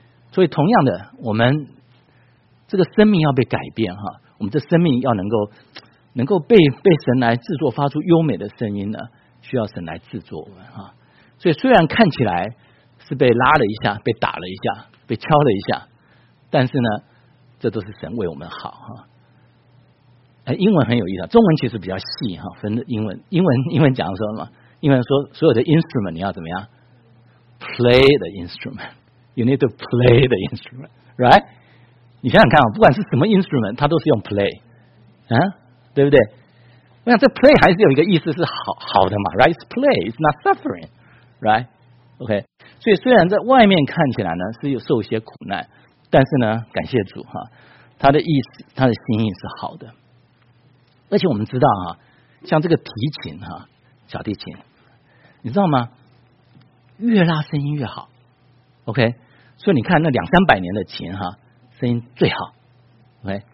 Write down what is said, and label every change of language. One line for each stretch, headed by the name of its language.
Chinese: 所以同样的，我们这个生命要被改变我们这生命要能够被神来制作，发出优美的声音呢，需要神来制作我们所以虽然看起来是被拉了一下，被打了一下，被敲了一下，但是呢这都是神为我们好英文很有意思，中文其实比较细分的英文讲说什么？英文说所有的
English: instrument
Chinese: 你要怎么样
English: play the instrument， you need to play the instrument， right？
Chinese: 你想想看不管是什么 instrument 它都是用 play 对不对？我想这 play 还是有一个意思是 好的嘛 right？
English: It's play， it's not sufferingRight, OK。
Chinese: 所以虽然在外面看起来呢是有受一些苦难，但是呢，感谢主他的意思，他的心意是好的。而且我们知道像这个提琴小提琴，你知道吗？越拉声音越好 ，OK。所以你看那两三百年的琴声音最好 ，OK。